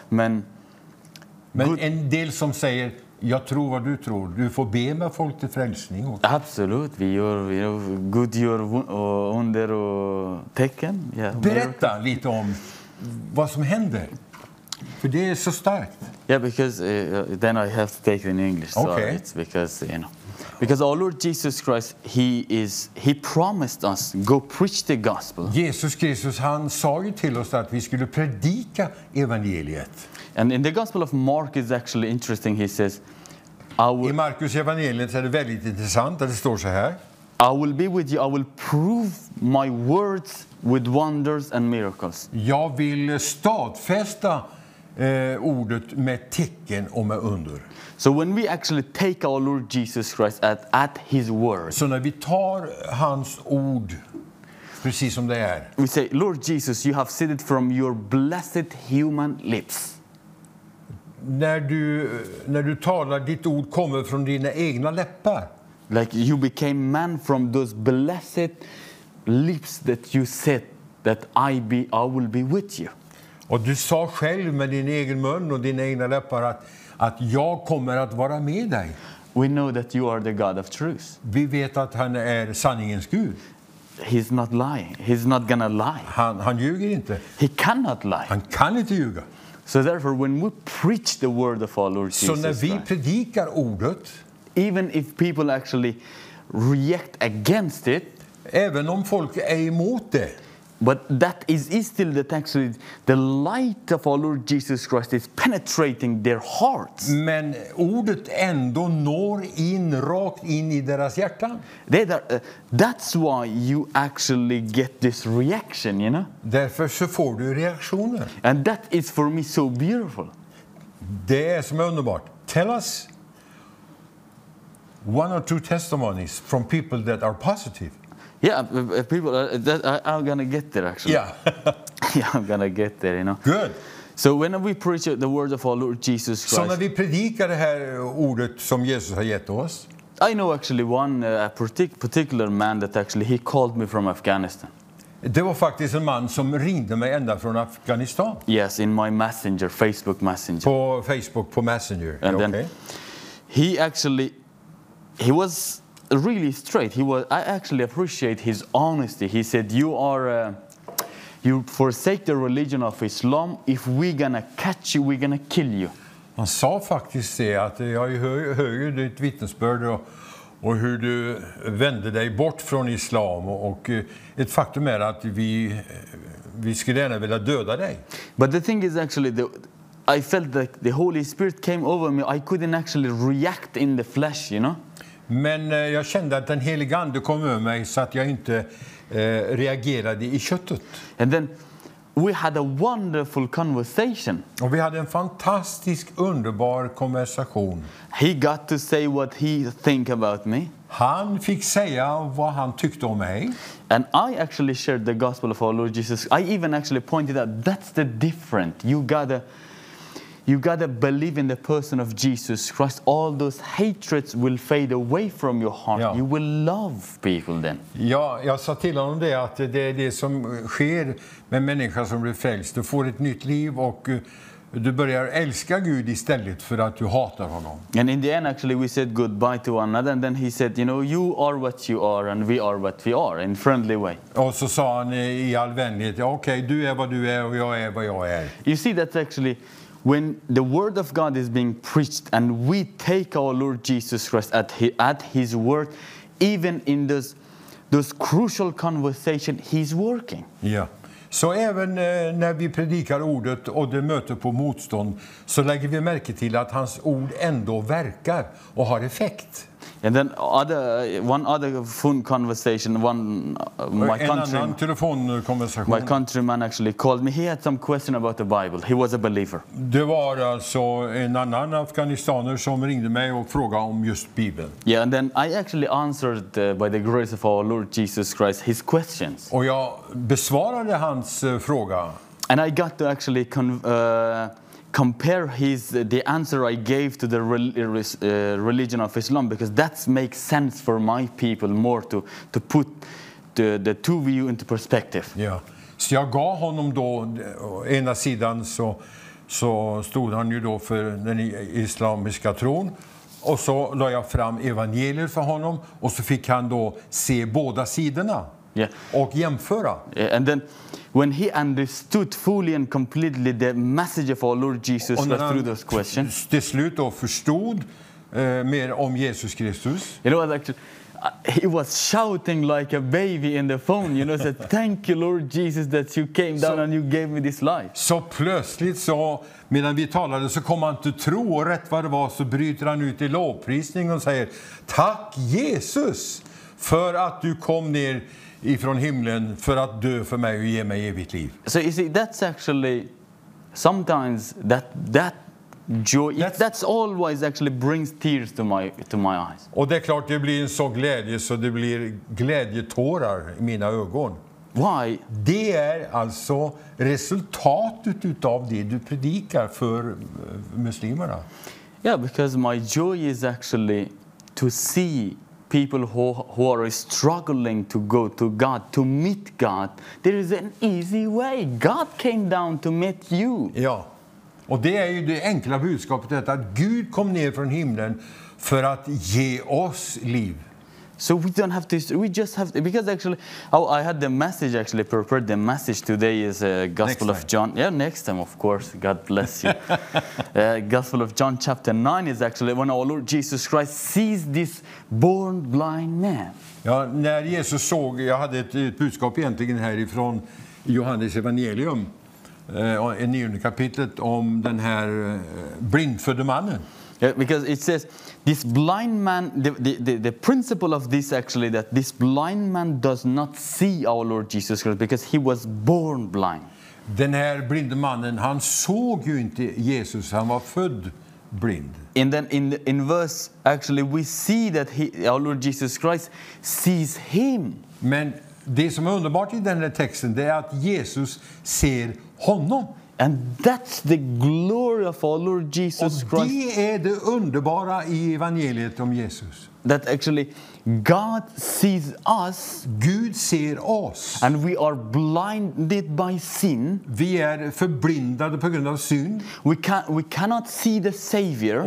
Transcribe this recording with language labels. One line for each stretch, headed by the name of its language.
Swedish: Men en del som säger... Jag tror vad du tror. Du får be med folk till frälsning. Också. Absolut. Vi gör, Gud gör under och tecken. Ja. Berätta lite om vad som händer. För det är så starkt.
English: Yeah, because then I have to take it in English. Okay. Sorry. It's because, you know. Because our Lord Jesus Christ, he promised us go preach the gospel.
Swedish: Jesus Kristus, han sa ju till oss att vi skulle predika evangeliet.
English: And in the Gospel of Mark is actually interesting. He says,
Swedish: I Markus evangeliet är det väldigt intressant att det står så här.
English: I will be with you. I will prove my words with wonders and miracles.
Swedish: Jag vill stadfästa ordet med tecken och med under.
English: So when we actually take our Lord Jesus Christ at his word.
Swedish: Så när vi tar hans ord precis som det är.
English: We say, Lord Jesus, you have said it from your blessed human lips.
Swedish: När du talar, ditt ord kommer från dina egna läppar.
English: Like you became man from those blessed lips that you said that I will be with you.
Swedish: Och du sa själv med din egen mun och dina egna läppar att jag kommer att vara med dig.
English: We know that you are the God of truth.
Swedish: Vi vet att han är sanningens Gud.
English: He's not lying. He's not gonna lie.
Swedish: Han ljuger inte.
English: He cannot lie.
Swedish: Han kan inte ljuga.
English: So therefore, when we preach the word of our Lord Jesus Christ,
Swedish: så när vi predikar ordet,
English: even if people actually react against it,
Swedish: även om folk är emot det,
English: but that is still that actually the light of our Lord Jesus Christ is penetrating their hearts.
Swedish: Men ordet ändå når in rakt in i deras hjärtan.
English: That's why you actually get this reaction, you know?
Swedish: Därför så får du reaktioner.
English: And that is for me so beautiful.
Swedish: Det är som är underbart.
English: Tell us one or two testimonies from people that are positive. Yeah, people. I'm gonna get there actually. Yeah, I'm gonna get there. You know. Good. So when we preach the word of our Lord Jesus Christ.
Swedish: Så när vi predikar det här ordet som Jesus har gett oss.
English: I know actually one particular man that actually he called me from Afghanistan.
Swedish: Det var faktiskt en man som ringde mig ända från Afghanistan.
English: Yes, in my messenger, Facebook messenger.
Swedish: På Facebook, på messenger.
English: And then he was. Really straight. He was. I actually appreciate his honesty. He said, "You forsake the religion of Islam. If we're gonna catch you, we're gonna kill you."
Swedish: Han sa faktiskt det att jag hör ju ditt vittnesbörd och hur du vände dig bort från Islam och ett faktum är att vi skulle gärna vilja döda dig.
English: But the thing is actually I felt that the Holy Spirit came over me. I couldn't actually react in the flesh, you know.
Swedish: Men jag kände att den helige ande kom över mig så att jag inte reagerade i köttet.
English: And then we had a wonderful conversation.
Swedish: Och vi hade en fantastisk underbar konversation.
English: He got to say what he think about me.
Swedish: Han fick säga vad han tyckte om mig.
English: And I actually shared the gospel of our Lord Jesus. I even actually pointed out that's the difference. You gotta believe in the person of Jesus Christ. All those hatreds will fade away from your heart. Yeah. You will love people then.
Swedish: Ja, jag sa till honom det att det är det som sker med människor som blir frälst. Du får ett nytt liv och Du börjar älska Gud istället för att du hatar honom.
English: And in the end actually we said goodbye to one another and then he said, you know, you are what you are and we are what we are in a friendly way.
Swedish: Och så sa han i all vänlighet, ja, okej, du är vad du är och jag är vad jag är.
English: You see, that's actually when the word of God is being preached and we take our Lord Jesus Christ at his word, even in those crucial conversation, he's working. Yeah.
Swedish: Så även när vi predikar ordet och det möter på motstånd, så lägger vi märke till att hans ord ändå verkar och har effekt.
English: And then one other phone conversation, my countryman actually called me. He had some question about the Bible. He was a believer.
Swedish: Det var alltså en annan afghanistaner som ringde mig och frågade om just Bibeln.
English: Yeah, and then I actually answered by the grace of our Lord Jesus Christ his questions.
Swedish: Och jag besvarade hans fråga.
English: And I got to actually compare the answer I gave to the religion of Islam, because that makes sense for my people more to put the two view into perspective.
Swedish: Ja, yeah. Så jag gav honom då, ena sidan så stod han ju då för den islamiska tron, och så la jag fram evangelier för honom, och så fick han då se båda sidorna.
English: Yeah.
Swedish: Och jämföra.
English: Yeah, and then when he understood fully and completely the message of our Lord Jesus through those questions.
Swedish: Till slut då förstod mer om Jesus Kristus.
English: It was actually, he was shouting like a baby in the phone, you know, said, thank you Lord Jesus that you came down and you gave me this life.
Swedish: Så plötsligt så medan vi talade så kom han till tro, och rätt vad det var så bryter han ut i lovprisning och säger, tack Jesus för att du kom ner ifrån himlen för att dö för mig och ge mig evigt liv.
English: So you see, that's actually sometimes that joy, that's always actually brings tears to my eyes.
Swedish: Och det är klart, det blir en sån glädje så det blir glädjetårar i mina ögon.
English: Why?
Swedish: Det är alltså resultatet utav det du predikar för muslimerna.
English: Yeah, because my joy is actually to see people who are struggling to go to God, to meet God. There is an easy way. God came down to meet you.
Swedish: Ja, och det är ju det enkla budskapet, detta, att Gud kom ner från himlen för att ge oss liv.
English: So we don't have to, we just have to, because actually, I had the message actually prepared, the message today is Gospel of John. Yeah, next time, of course, God bless you. Gospel of John chapter 9 is actually when our Lord Jesus Christ sees this born blind man.
Swedish: Ja, när Jesus såg, jag hade ett budskap egentligen här ifrån Johannes evangelium, i 9 kapitlet, om den här blindfödde mannen.
English: Yeah, because it says this blind man, the principle of this actually, that this blind man does not see our Lord Jesus Christ because he was born blind.
Swedish: Den här blinde mannen, han såg ju inte Jesus, han var född blind.
English: And then in verse actually we see that our Lord Jesus Christ sees him.
Swedish: Men det som är underbart i den här texten, det är att Jesus ser honom.
English: And that's the glory of our Lord Jesus Christ.
Swedish: Och det är det underbara i evangeliet om Jesus.
English: That actually God sees us.
Swedish: Gud ser oss.
English: And we are blinded by sin.
Swedish: Vi är förblindade på grund av synd.
English: We cannot see the Savior.